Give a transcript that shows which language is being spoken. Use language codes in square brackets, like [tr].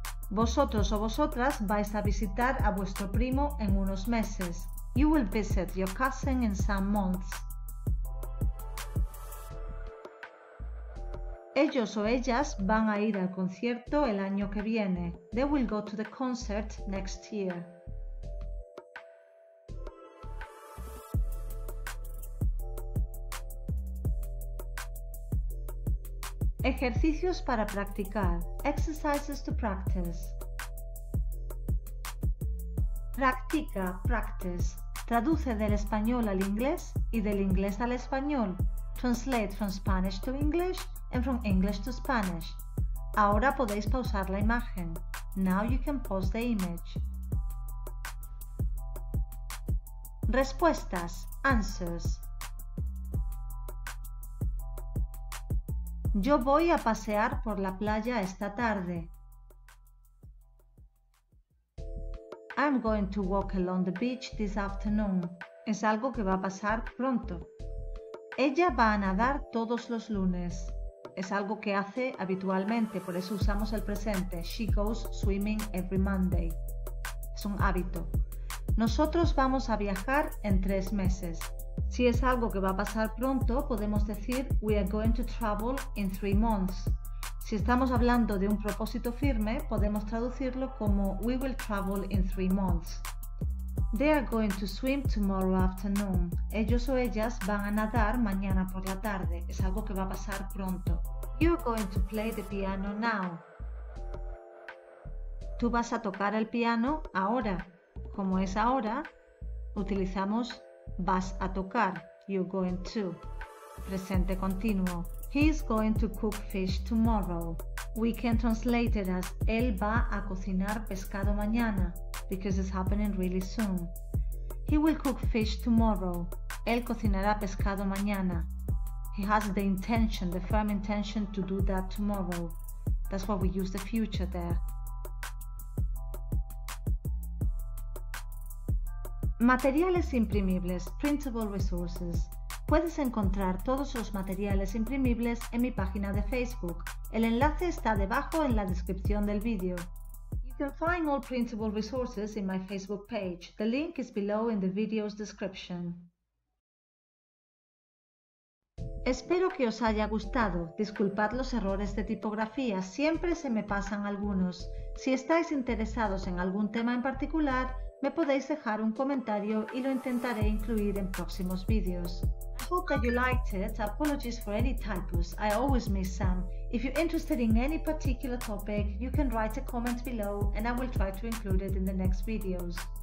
[es] Vosotros o vosotras vais a visitar a vuestro primo en 1 mes. [en] You will visit your cousin in 1 month. [es] Ellos o ellas van a ir al concierto el año que viene. [en] They will go to the concert next year. [es] Ejercicios para practicar. [en] Exercises to practice. [es] Practica, practice. Traduce del español al inglés y del inglés al español. [en] Translate from Spanish to English and from English to Spanish. [es] Ahora podéis pausar la imagen. [en] Now you can pause the image. [es] Respuestas. [en] Answers. [es] Yo voy a pasear por la playa esta tarde. [en] I'm going to walk along the beach this afternoon. [es] Es algo que va a pasar pronto. Ella va a nadar todos los lunes. Es algo que hace habitualmente, por eso usamos el presente. [en] She goes swimming every Monday. [es] Es un hábito. Nosotros vamos a viajar en 3 meses. Si es algo que va a pasar pronto, podemos decir [en] we are going to travel in 3 months. [es] Si estamos hablando de un propósito firme, podemos traducirlo como [en] we will travel in 3 months. They are going to swim tomorrow afternoon. [es] Ellos o ellas van a nadar mañana por la tarde. Es algo que va a pasar pronto. [en] You are going to play the piano now. [es] Tú vas a tocar el piano ahora. Como es ahora, utilizamos vas a tocar. [en] You're going to. [es] Presente continuo. [en] He's going to cook fish tomorrow. We can translate it as [es] él va a cocinar pescado mañana, [en] because it's happening really soon. He will cook fish tomorrow. [es] Él cocinará pescado mañana. [en] He has the intention, the firm intention to do that tomorrow. That's why we use the future there. [es] Materiales imprimibles, [en] printable resources. [es] Puedes encontrar todos los materiales imprimibles en mi página de Facebook. El enlace está debajo en la descripción del vídeo. [en] You can find all printable resources in my Facebook page. The link is below in the video's description. [es] Espero que os haya gustado. Disculpad los errores de tipografía, siempre se me pasan algunos. Si estáis interesados en algún tema en particular, me podéis dejar un comentario y lo intentaré incluir en próximos vídeos. [en] I hope that you liked it. Apologies for any typos. I always miss some. If you're interested in any particular topic, you can write a comment below and I will try to include it in the next videos.